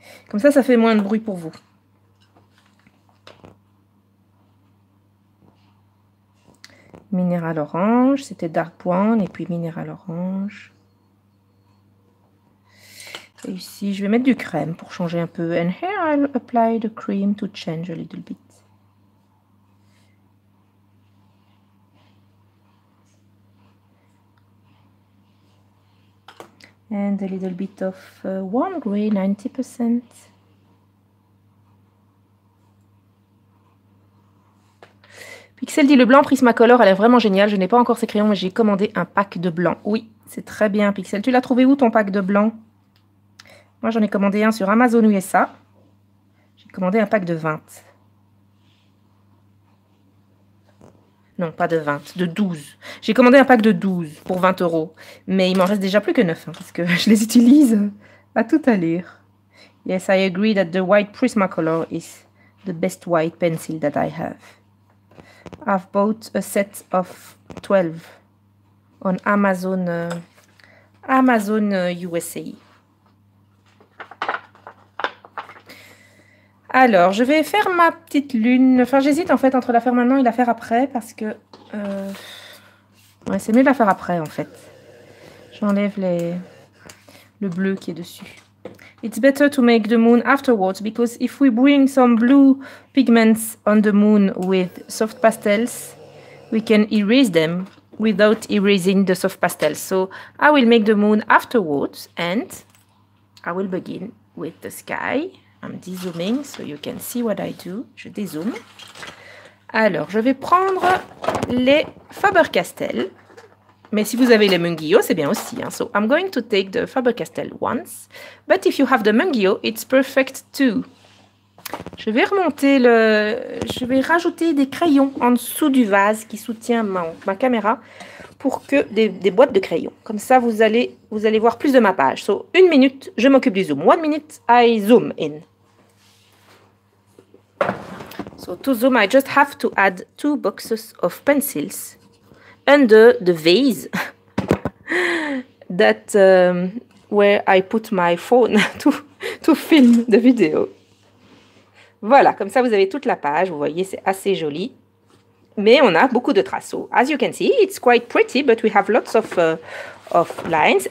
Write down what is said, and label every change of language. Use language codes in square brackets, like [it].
[fr] Comme ça, ça fait moins de bruit pour vous. Minéral orange, c'était Dark Point et puis minéral orange. Et ici, je vais mettre du crème pour changer un peu. [en] And here, I'll apply the cream to change a little bit. And a little bit of warm gray, 90%. [fr] Pixel dit le blanc Prismacolor, elle est vraiment géniale. Je n'ai pas encore ces crayons, mais j'ai commandé un pack de blanc. Oui, c'est très bien, Pixel. Tu l'as trouvé où, ton pack de blanc? Moi, j'en ai commandé un sur Amazon USA. J'ai commandé un pack de 20. Non, pas de 20, de 12. J'ai commandé un pack de 12 pour 20 euros. Mais il m'en reste déjà plus que 9, hein, parce que je les utilise à tout allure. [en] Yes, I agree that the white Prismacolor is the best white pencil that I have. I've bought a set of 12 on Amazon, Amazon USA. [fr] Alors, je vais faire ma petite lune. Enfin, j'hésite en fait entre la faire maintenant et la faire après parce que... Ouais, c'est mieux de la faire après en fait. J'enlève le bleu qui est dessus. [en] It's better to make the moon afterwards because if we bring some blue pigments on the moon with soft pastels, we can erase them without erasing the soft pastels. So I will make the moon afterwards and I will begin with the sky. I'm dézooming so you can see what I do. [fr] Je dézoome. Alors, je vais prendre les Faber-Castell. Mais si vous avez les Mungio, c'est bien aussi. Hein. [en] So, I'm going to take the Faber-Castell once. But if you have the Mungio, it's perfect too. [fr] Je vais remonter le... Je vais rajouter des crayons en dessous du vase qui soutient ma caméra pour que des boîtes de crayons. Comme ça, vous allez voir plus de ma page. So, une minute, je m'occupe du zoom. [en] 1 minute, I zoom in. So, to zoom, I just have to add 2 boxes of pencils under the vase that where I put my phone to film the video. [fr] Voilà, comme ça vous avez toute la page, vous voyez, c'est assez joli. Mais on a beaucoup de traces. [en] So, as you can see, it's quite pretty, but we have lots of lines.